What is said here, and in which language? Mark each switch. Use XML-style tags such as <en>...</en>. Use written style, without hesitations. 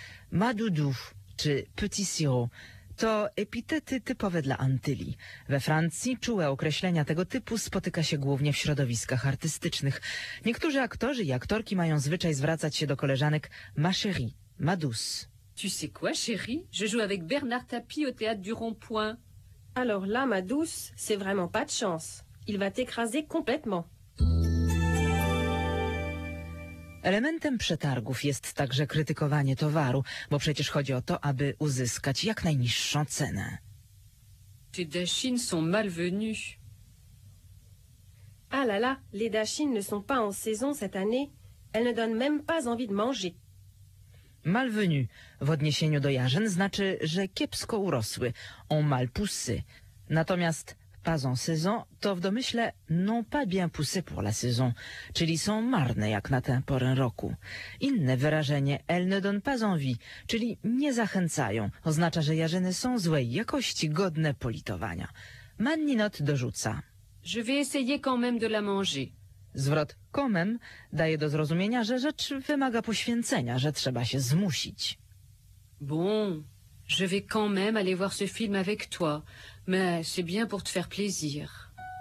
<fr>Ma doudou,</fr> <pl>czy</pl> <fr>petit sirop,</fr> <pl>to epitety typowe dla Antylii. We Francji czułe określenia tego typu spotyka się głównie w środowiskach artystycznych. Niektórzy aktorzy i aktorki mają zwyczaj zwracać się do koleżanek</pl> <fr>ma chérie, ma douce. Tu sais quoi, chérie? Je joue avec Bernard Tapie au théâtre du Rond-Point. Alors là, ma douce, c'est vraiment pas de chance. Il va t'écraser complètement.</fr> <pl>Elementem przetargów jest także krytykowanie towaru, bo przecież chodzi o to, aby uzyskać jak najniższą cenę.</pl> <fr>Tes dachines sont malvenues. Ah là là, les dachines ne sont pas en saison cette année. Elles ne donnent même pas envie de manger.</fr> <pl>Malvenu w odniesieniu do jarzyn znaczy, że kiepsko urosły,</pl> <fr>ont mal poussé.</fr> <pl>Natomiast</pl> <fr>pas en saison,</fr> <pl>to w domyśle</pl> <fr>non pas bien poussé pour la saison,</fr> <pl>czyli są marne jak na tę porę roku. Inne wyrażenie,</pl> <fr>elles ne donnent pas envie,</fr> <pl>czyli nie zachęcają, oznacza, że jarzyny są złej jakości, godne politowania. Manninot dorzuca.</pl> <fr>Je vais essayer quand même de la manger.</fr> <pl>Zwrot quand même daje do zrozumienia, że rzecz wymaga poświęcenia, że trzeba się zmusić.</pl> <fr>Bon, je vais quand même aller voir ce film avec toi. Mais c'est bien pour te faire plaisir.</fr>